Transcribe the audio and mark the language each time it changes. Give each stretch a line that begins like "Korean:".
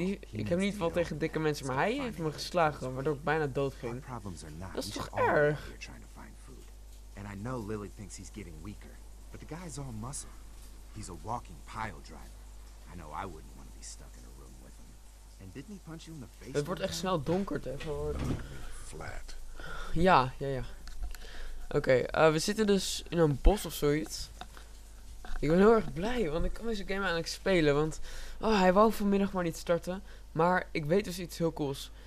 Dutch: Ik heb niet wat tegen dikke mensen, maar hij heeft me geslagen, waardoor ik bijna dood ging. Dat is toch erg?
English: And I know Lily thinks he's getting weaker, but the guy's all muscle. He's a walking pile driver. I know I wouldn't want to be stuck in a room with him. And didn't he punch you in the face?
Dutch: Het wordt echt snel donker, hè? Flat. Ja. Oké, we zitten dus in een bos of zoiets. Ik ben heel erg blij, want ik kan deze game eigenlijk spelen. Want hij wou vanmiddag maar niet starten. Maar ik weet dus iets heel cools.